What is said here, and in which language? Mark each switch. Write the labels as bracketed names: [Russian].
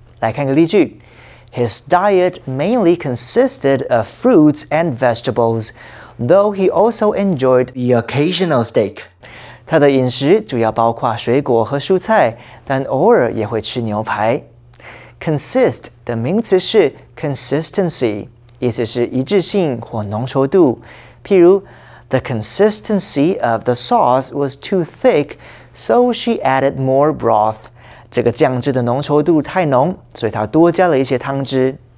[Chinese] 来看个例句, [English] His diet mainly consisted of fruits and vegetables, though he also enjoyed the occasional steak. [Chinese] 他的饮食主要包括水果和蔬菜, 但偶尔也会吃牛排。 Consist 的名词是 consistency, 意思是一致性或浓稠度。譬如, [English] The consistency of the sauce was too thick, so she added more broth. [Chinese] 这个酱汁的浓稠度太浓, 所以她多加了一些汤汁。